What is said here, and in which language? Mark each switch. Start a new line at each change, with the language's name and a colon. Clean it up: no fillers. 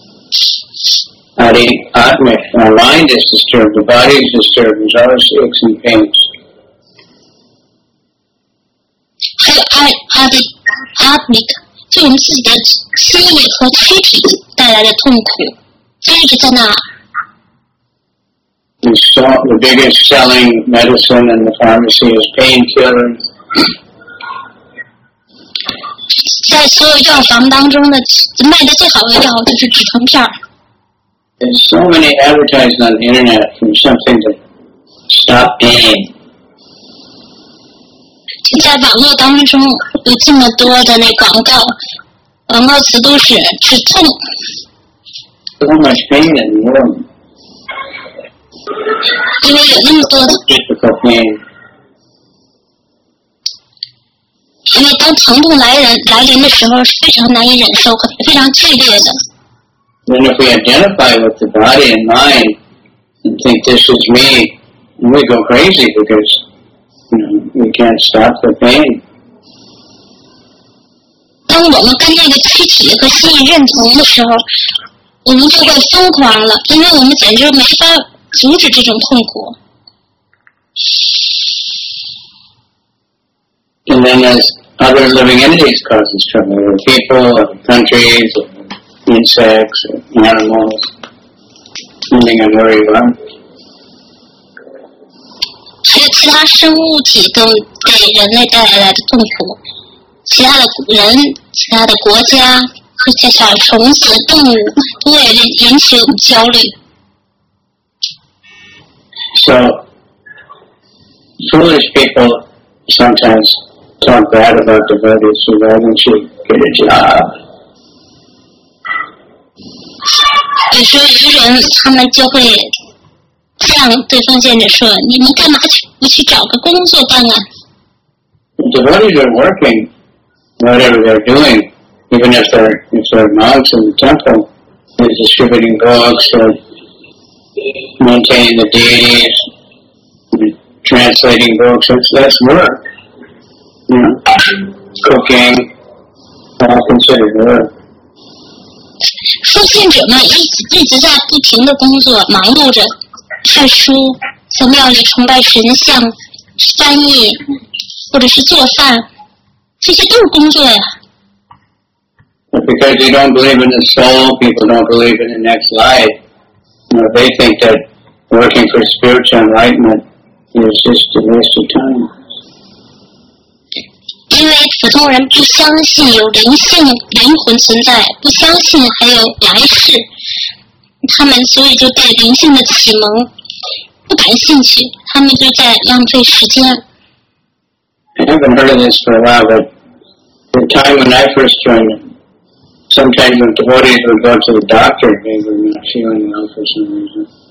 English: Our mind is disturbed, the body is disturbed, and all the aches and pains.
Chinese: 还有阿迪阿米克，就我们自己的心理和躯体带来的痛苦，就一直在那。
English: The biggest selling medicine in the pharmacy is painkillers.
Chinese: 在所有药房当中的卖的最好的药就是止疼片。
English: There's so many advertisements on the internet for something to stop pain.
Chinese: 就在网络当中有这么多的那广告词都是止痛。
English: so much pain in the womb. Then if we identify with the body and mind and think this is me, we go crazy because we can't stop the pain.
Chinese: 当我们跟那个躯体和心意认同的时候，我们就会疯狂了，因为我们简直没法阻止这种痛苦。
English: And then there's other living entities causes trouble, or people, or countries, or insects, or animals, depending on where you are.
Chinese: 还有其他生物体都给人类带来的痛苦。其他的人、其他的国家和其他虫子、动物都会引起我们焦虑。
English: So, foolish people sometimes talk bad about devotees, so why don't you get a job?
Chinese: 有时候有些人他们就会向对方见着说：“你们干嘛去？不去找个工作干啊？”
English: Devotees are working. Whatever they're doing, even if they're monks in the temple, they're distributing books, they're maintaining the deities, translating books, that's work. You know, cooking, all considered work.
Chinese: 奉献者们一直在不停的工作，忙碌着看书，在庙里崇拜神像，翻译，或者是做饭。这些都是工作呀。
English: Because you don't believe in the soul, people don't believe in the next life. You know, they think that working for spiritual enlightenment is just a waste of time.
Chinese: 因为普通人不相信有灵性、灵魂存在，不相信还有来世，他们所以就对灵性的启蒙不感兴趣，他们就在浪费时间。
English: I haven't heard of this for a while, but the time when I first joined, sometimes when devotees would go to the doctor, they were not feeling well for some reason.